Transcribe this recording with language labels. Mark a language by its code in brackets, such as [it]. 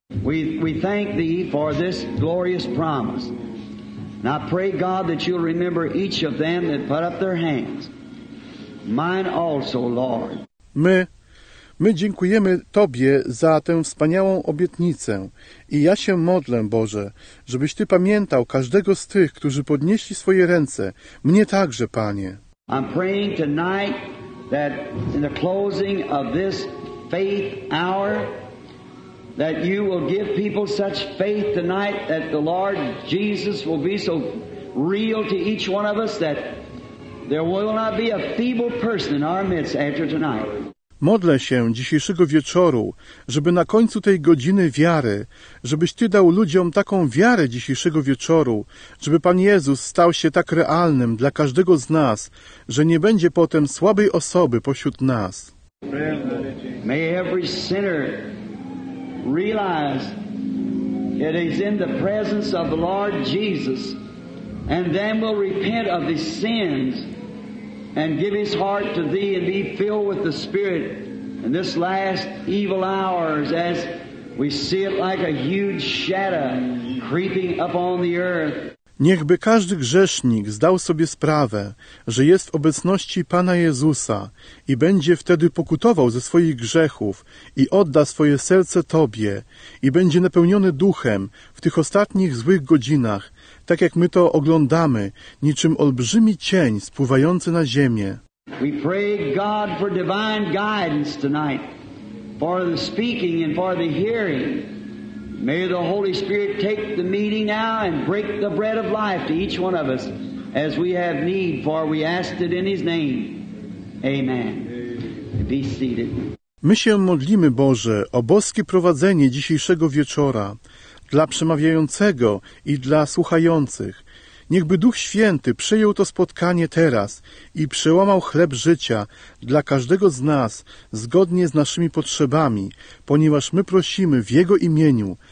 [en] We thank Thee for this glorious promise. And I pray, God, that You'll remember each of them that put up their hands. Mine also, Lord. [pl] My dziękujemy Tobie za tę wspaniałą obietnicę. I ja się modlę, Boże, żebyś Ty pamiętał każdego z tych, którzy podnieśli swoje ręce. Mnie także, Panie. [en] I'm praying tonight that in the closing of this faith hour, that You will give people such faith tonight that the Lord Jesus will be so real to each one of us that there will not be a feeble person in our midst after tonight. [pl] Modlę się dzisiejszego wieczoru, żeby na końcu tej godziny wiary, żebyś Ty dał ludziom taką wiarę dzisiejszego wieczoru, żeby Pan Jezus stał się tak realnym dla każdego z nas, że nie będzie potem słabej osoby pośród nas. [en] May every sinner realize it is in the presence of the Lord Jesus and then will repent of his sins and give his heart to Thee and be filled with the Spirit in this last evil hours as we see it like a huge shadow creeping up on the earth. [pl] Niechby każdy grzesznik zdał sobie sprawę, że jest w obecności Pana Jezusa i będzie wtedy pokutował ze swoich grzechów i odda swoje serce Tobie i będzie napełniony Duchem w tych ostatnich złych godzinach, tak jak my to oglądamy, niczym olbrzymi cień spływający na ziemię. [en] We pray God for divine guidance tonight, for the speaking and for the hearing. May the Holy Spirit take the meeting now and break the bread of life to each one of us as we have need, for we ask it in His name. Amen. Be seated. [pl] My się modlimy, Boże, o boskie prowadzenie dzisiejszego wieczora dla przemawiającego i dla słuchających. Niechby Duch Święty przyjął to spotkanie teraz i przełamał chleb życia dla każdego z nas zgodnie z naszymi potrzebami, ponieważ my prosimy w Jego imieniu.